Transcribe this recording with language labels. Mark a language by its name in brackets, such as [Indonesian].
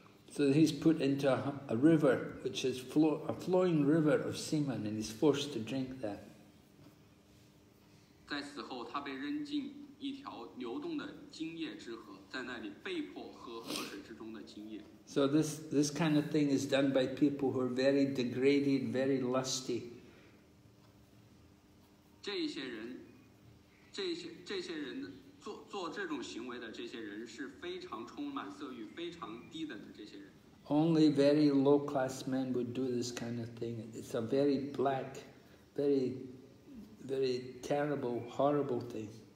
[English] So he's put into a river, which is a flowing river of semen, and he's forced to drink that. [Chinese] 在死后，他被扔进一条流动的精液之河, 在那里被迫喝河水之中的精液。 [English] So this kind of thing is done by people who are very degraded, very lusty. [Chinese] 这些人 做这种行为的这些人是非常充满色欲、非常低等的这些人。 [English] Only very low class men would do this kind of thing. It's a very black, very, very terrible, horrible thing.